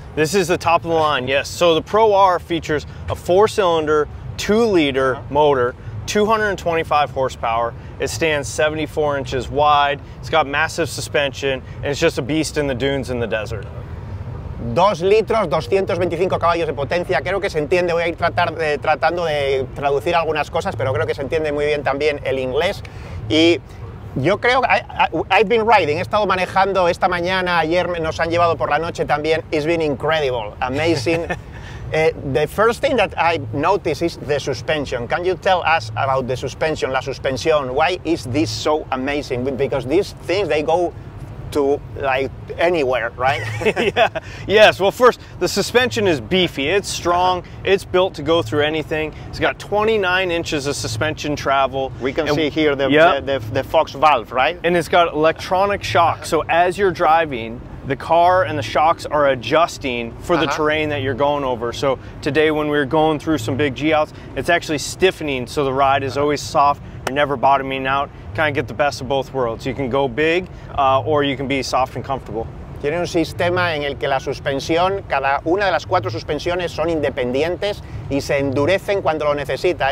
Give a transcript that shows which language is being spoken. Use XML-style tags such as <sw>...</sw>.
<en>This is the top of the line, yes. So the Pro R features a 4-cylinder, 2-liter motor, 225 horsepower. It stands 74 inches wide. It's got massive suspension, and it's just a beast in the dunes in the desert.</en> <es>2 litros, 225 caballos de potencia. Creo que se entiende. Voy a ir tratando de traducir algunas cosas, pero creo que se entiende muy bien también el inglés. Y yo creo que</es> <en>I've been riding.</en> <es>He estado manejando esta mañana. Ayer nos han llevado por la noche también.</es> <en>It's been incredible, amazing. The first thing that I notice is the suspension. Can you tell us about the suspension,</en> <es>la suspensión?</es> <en>Why is this so amazing? Because these things, they go to like anywhere, right? Yes, well, first, the suspension is beefy. It's strong, it's built to go through anything. It's got 29 inches of suspension travel. We can see here the Fox valve, right? And it's got electronic shock, so as you're driving, the car and the shocks are adjusting for the terrain that you're going over. So today when we're going through some big G-outs, it's actually stiffening, so the ride is always soft. You're never bottoming out. Kind of get the best of both worlds. You can go big or you can be soft and comfortable.</en> <es>Tiene un sistema en el que la suspensión, cada una de las cuatro suspensiones son independientes y se endurecen cuando lo necesita.</es>